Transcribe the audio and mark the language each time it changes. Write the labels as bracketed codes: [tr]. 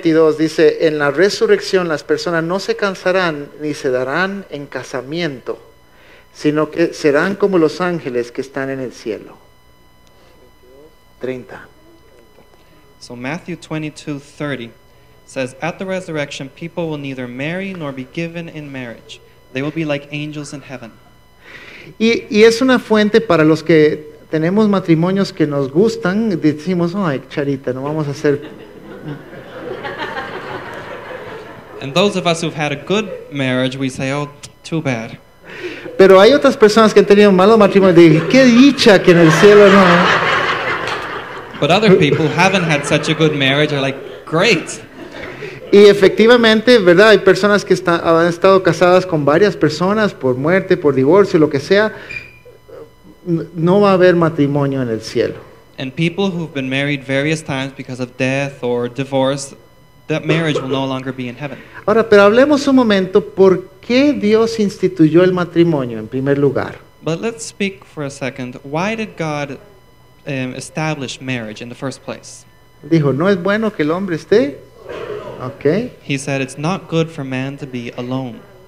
[es] 22 dice, en la resurrección las personas no se cansarán ni se darán en casamiento, sino que serán como los ángeles que están en el cielo. 30. [en] So Matthew 22:30 says, at the resurrection, people will neither marry nor be given in marriage. They will be like angels in heaven. [es] Y es una fuente para los que tenemos matrimonios que nos gustan, decimos, ay, Charita, no vamos a hacer. [en] And those of us who've had a good marriage, we say, oh, too bad. [es] Pero hay otras personas que han tenido malos matrimonios, dicen, qué dicha que en el cielo no. [en] But other people haven't had such a good marriage are like, great. [es] Y efectivamente, ¿verdad? Hay personas que han estado casadas con varias personas por muerte, por divorcio, lo que sea. No va a haber matrimonio en el cielo. [en] And people who've been married various times because of death or divorce, that marriage will no longer be in heaven. [es] Ahora, pero hablemos un momento, ¿por qué Dios instituyó el matrimonio en primer lugar? [en] But let's speak for a second. Why did God establish marriage in the first place? [es] Dijo, no es bueno que el hombre esté. [en] Okay. He said, it's not good for man to be alone.